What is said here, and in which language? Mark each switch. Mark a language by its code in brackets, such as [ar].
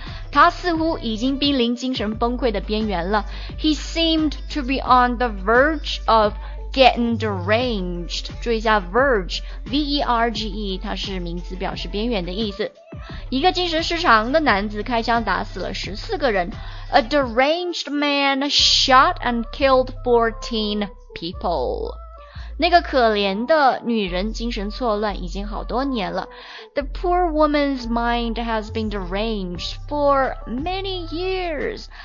[zh] 他似乎已经濒临精神崩溃的边缘了。 [en] He seemed to be on the verge of getting deranged。 [zh] 注意一下 verge， V-E-R-G-E， 它是名词，表示边缘的意思。一个精神失常的男子开枪打死了14个人。 [en] A deranged man shot and killed 14 people. [zh] 那个可怜的女人精神错乱已经好多年了。 [en] The poor woman's mind has been deranged for many years.